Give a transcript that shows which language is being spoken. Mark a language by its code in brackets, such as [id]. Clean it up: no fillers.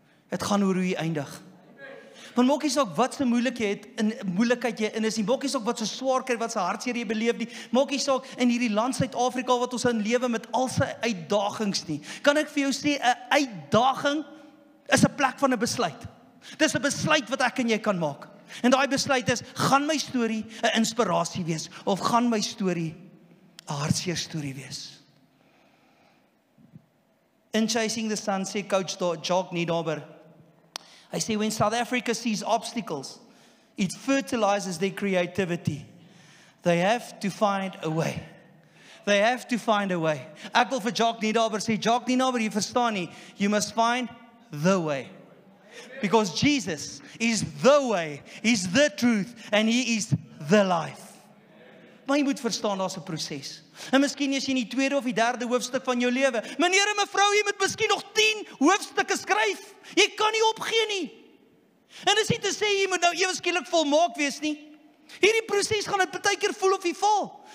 [af] Dit gaan oor hoe jy eindig. Want maak nie saak wat so moeilikheid jy in is nie, maak nie saak wat so swaar kry, wat so hartseer jy beleef nie, maak nie saak in hierdie land Suid-Afrika wat ons in lewe met al sy uitdagings nie. Kan ek vir jou sê, 'n uitdaging is 'n plek van 'n besluit. Dis 'n besluit wat ek en jy kan maak. En daai besluit is, gaan my story 'n inspirasie wees, of gaan my story 'n hartseer story wees? [en] In Chasing the Sun sê coach Jock Niedober, [af] hy sê, [en] when South Africa sees obstacles, it fertilizes their creativity. They have to find a way. They have to find a way. [af] Ek wil vir Jock Niedober sê, Jock Niedober, jy verstaan nie, [en] you must find the way. Because Jesus is the way, is the truth, and he is the life. [af] Maar jy moet verstaan, daar's 'n proses. En miskien is jy in die tweede of die derde hoofstuk van jou lewe. Meneer en mevrou, jy moet miskien nog 10 hoofstukke skryf. Jy kan nie opgee nie. En dis nie te sê, jy moet nou ewenskielik volmaak wees nie. Hierdie proses gaan dit partykeer voel of jy val.